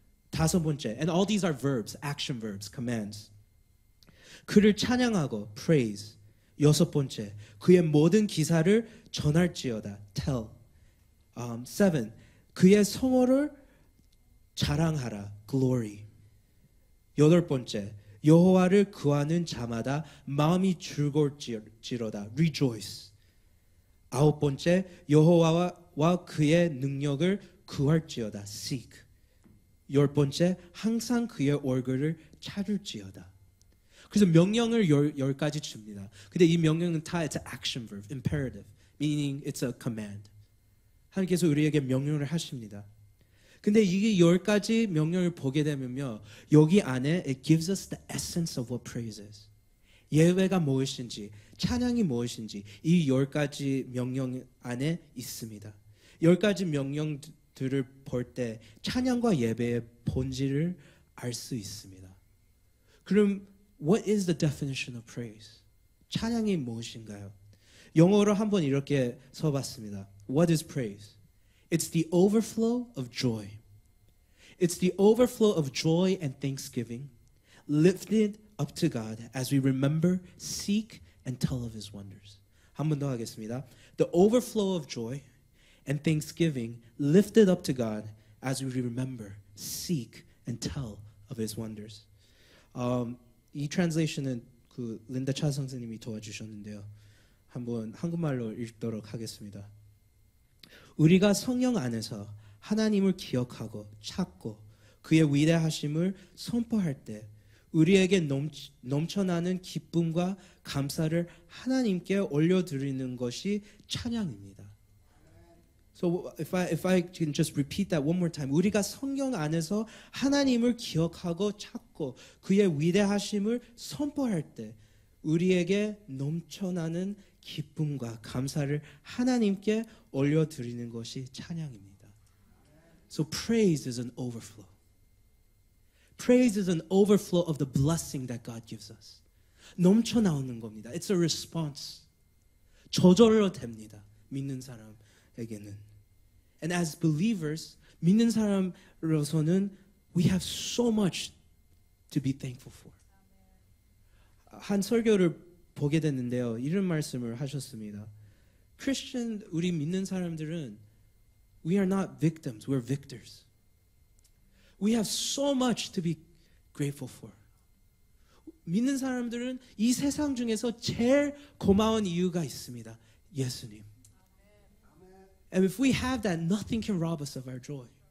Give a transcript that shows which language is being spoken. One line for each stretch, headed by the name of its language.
Korean: 다섯 번째
English: and all these are verbs, action verbs, commands.
Korean: 그를 찬양하고 praise. 여섯 번째 그의 모든 기사를 전할지어다 tell. Seven 그의 성호를 자랑하라 glory. 여덟 번째 여호와를 구하는 자마다 마음이 즐거울지로다 rejoice. 아홉 번째 여호와와 그의 능력을 구할지어다 seek. 열 번째 항상 그의 얼굴을 찾을지어다. 그래서 명령을 열 가지 줍니다. 근데 이 명령은 다
English: it's an action verb, imperative, meaning it's a command.
Korean: 하나님께서 우리에게 명령을 하십니다. 근데 이게 열 가지 명령을 보게 되면요, 여기 안에
English: it gives us the essence of what praise is.
Korean: 예배가 무엇인지, 찬양이 무엇인지 이 열 가지 명령 안에 있습니다. 열 가지 명령들을 볼 때 찬양과 예배의 본질을 알 수 있습니다. 그럼
English: What is the definition of praise?
Korean: 찬양이 무엇인가요? 영어로 한번 이렇게 써봤습니다.
English: What is praise? It's the overflow of joy. It's the overflow of joy and thanksgiving lifted up to God as we remember, seek, and tell of his wonders.
Korean: 한 번 더 하겠습니다.
English: The overflow of joy and thanksgiving lifted up to God as we remember, seek, and tell of his wonders.
Korean: 이 translation은 그 린다 차 선생님이 도와주셨는데요. 한번 한국말로 읽도록 하겠습니다. 우리가 성령 안에서 하나님을 기억하고 찾고 그의 위대하심을 선포할 때 우리에게 넘쳐나는 기쁨과 감사를 하나님께 올려드리는 것이 찬양입니다.
English: So if I can just repeat that one more time.
Korean: 우리가 성령 안에서 하나님을 기억하고 찾고 그의 위대하심을 선포할 때 우리에게 넘쳐나는 기쁨과 감사를 하나님께 올려드리는 것이 찬양입니다.
English: So praise is an overflow. Praise is an overflow of the blessing that God gives us.
Korean: 넘쳐나오는 겁니다.
English: It's a response.
Korean: 저절로 됩니다. 믿는 사람에게는.
English: And as believers,
Korean: 믿는 사람으로서는
English: we have so much to be thankful for.
Korean: 한 설교를 보게 됐는데요. 이런 말씀을 하셨습니다.
English: Christian,
Korean: 우리 믿는 사람들은
English: we are not victims, we're victors. We have so much to be grateful for.
Korean: 믿는 사람들은 이 세상 중에서 제일 고마운 이유가 있습니다. 예수님.
English: And if we have that, nothing can rob us of our joy.